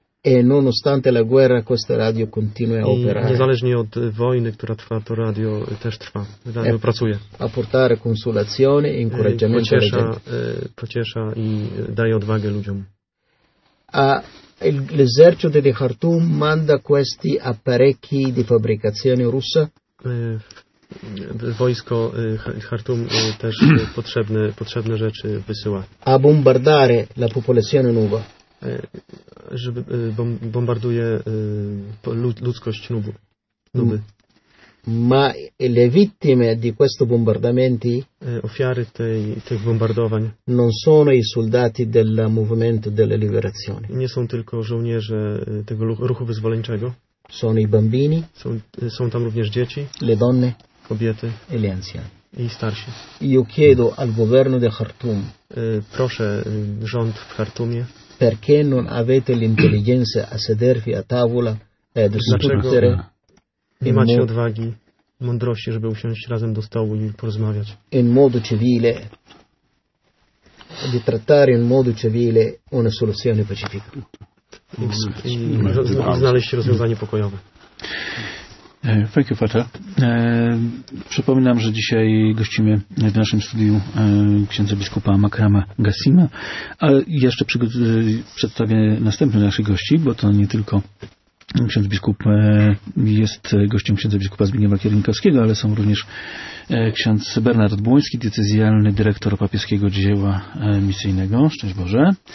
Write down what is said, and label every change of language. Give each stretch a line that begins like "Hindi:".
Italian: E nonostante la guerra questo radio continua a operare.
Polish: Niezależnie od wojny, która trwa, to radio też trwa. Radio pracuje.
Italian: A portare consolazione e incoraggiamento.
Polish: Pociesza i daje odwagę ludziom.
Italian: A l'esercito di Khartoum manda questi apparecchi di fabbricazione russa?
Polish: Wojsko Khartoum też potrzebne rzeczy wysyła.
Italian: A bombardare la popolazione nuova.
Polish: Żeby bombarduje ludzkość Nuby.
Italian: Ma le vittime di questo bombardamenti
Polish: ofiary tych bombardowań
Italian: non sono i soldati del movimento della liberazione.
Polish: Nie są tylko żołnierze tego ruchu wyzwoleńczego.
Italian: Sono i bambini.
Polish: Są tam również dzieci.
Italian: Le donne.
Polish: Kobiety.
Italian: E gli anziani.
Polish: I starsi.
Italian: Io chiedo al governo di Khartoum.
Polish: Proszę rząd w Khartoumie.
Italian: Perché non avete l'intelligenza a sedervi a tavola e discutere?
Polish: Nie macie odwagi, mądrości, żeby usiąść razem do stołu i porozmawiać.
Italian: In modo civile, di trattare in modo civile una soluzione pacifica.
Polish: I znaleźć rozwiązanie pokojowe.
English: Thank you, Father.
Polish: Przypominam, że dzisiaj gościmy w naszym studiu księdza biskupa Makrama Gassima, ale jeszcze przedstawię następnych naszych gości, bo to nie tylko ksiądz biskup jest gościem księdza biskupa Zbigniewa Kierunkowskiego, ale są również ksiądz Bernard Błoński, diecezjalny dyrektor papieskiego dzieła misyjnego. Szczęść Boże.